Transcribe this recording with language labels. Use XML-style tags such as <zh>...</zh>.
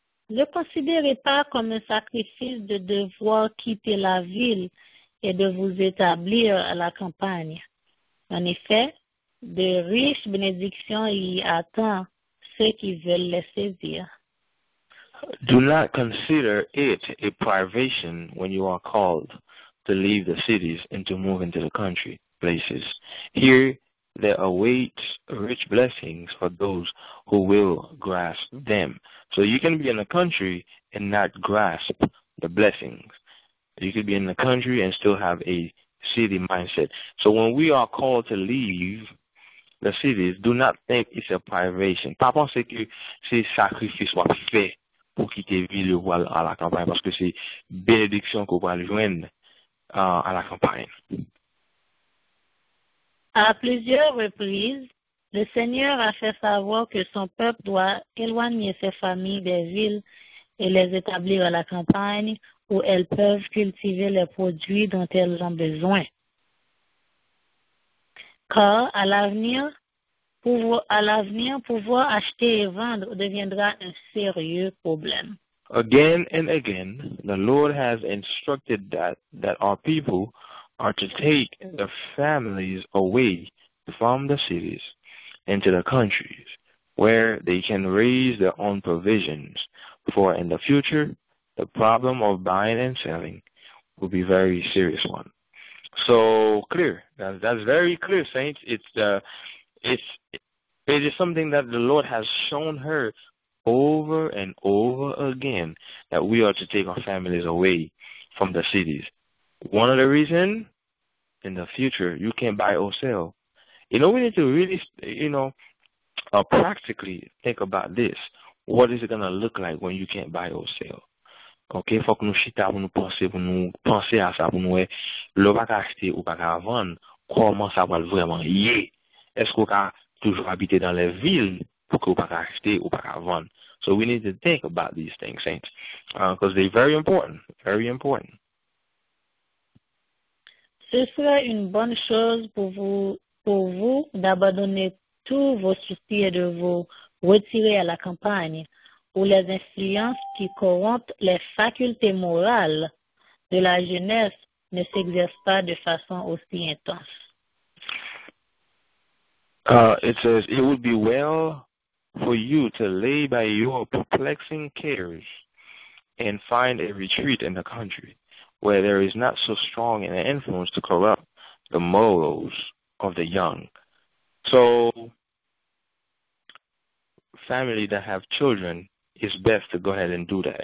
<fr>Ne considérez pas comme un sacrifice de devoir quitter la ville et de vous établir à la campagne. En effet, de riches bénédictions y attendent ceux qui veulent les saisir.</fr> <en>Do not consider it a privation when you are called to leave the cities and to move into the country places. Here, there awaits rich blessings for those who will grasp them. So you can be in the country and not grasp the blessings. You could be in the country and still have a city mindset. So when we are called to leave the cities, do not think it's a privation.</en> <fr>Pas penser que c'est sacrifice qu'on fait pour quitter ville ou à la campagne, parce que c'est bénédiction qu'on va joindre à la campagne. À plusieurs reprises, le Seigneur a fait savoir que son peuple doit éloigner ses familles des villes et les établir à la campagne, où elles peuvent cultiver les produits dont elles ont besoin. Car à l'avenir, pouvoir acheter et vendre deviendra un sérieux problème.</fr> <en>Again and again, the Lord has instructed that our people are to take their families away from the cities into the countries where they can raise their own provisions, for in the future, the problem of buying and selling will be a very serious one. So clear. That's very clear, saints. It is something that the Lord has shown her over and over again, that we are to take our families away from the cities. One of the reasons, in the future, you can't buy or sell. You know, we need to really, you know, practically think about this. What is it going to look like when you can't buy or sell?</en> <fr>Ok, faut que nous chita pour nous penser à ça, pour nous, le pas acheter ou pas vendre, comment ça va vraiment y est? Est-ce qu'on va toujours habiter dans les villes pour que vous puissiez acheter ou pas vendre.</fr> <en>So we need to think about these things, saints, because they're very important, very important.</en> <fr>Ce serait une bonne chose pour vous d'abandonner tous vos soucis et de vous retirer à la campagne où les influences qui corrompent les facultés morales de la jeunesse ne s'exercent pas de façon aussi intense.</fr> <en>It says, it would be well for you to lay by your perplexing cares and find a retreat in the country where there is not so strong an influence to corrupt the morals of the young. So, family that have children, it's best to go ahead and do that.</en>